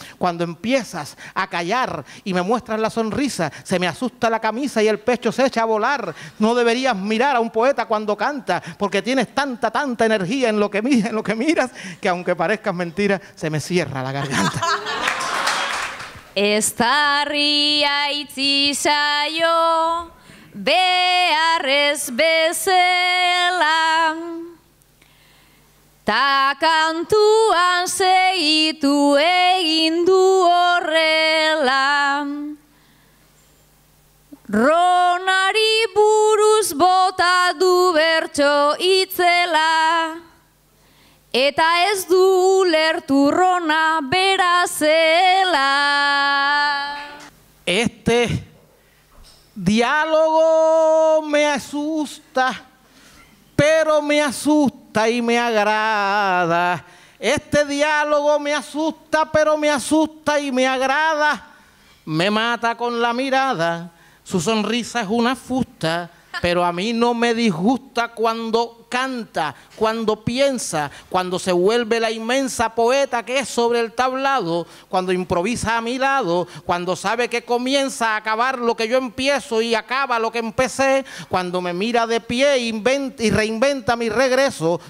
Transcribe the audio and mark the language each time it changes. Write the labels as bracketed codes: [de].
[es] Cuando empiezas a callar y me muestras la sonrisa, se me asusta la camisa y el pecho se echa a volar. No deberías mirar a un poeta cuando canta, porque tienes tanta, tanta energía en lo que miras, que aunque parezcas mentira, se me cierra la garganta. [eu] Estarria itzi zaio beharrez bezela, ta kantuan segitu egin du horrela. Ronari buruz bota du bertso itzela, eta ez du ulertu rona bera zela. [es] Este diálogo me asusta, pero me asusta y me agrada. Este diálogo me asusta, pero me asusta y me agrada. Me mata con la mirada, su sonrisa es una fusta, pero a mí no me disgusta cuando canta, cuando piensa, cuando se vuelve la inmensa poeta que es sobre el tablado, cuando improvisa a mi lado, cuando sabe que comienza a acabar lo que yo empiezo y acaba lo que empecé, cuando me mira de pie y reinventa mi regreso.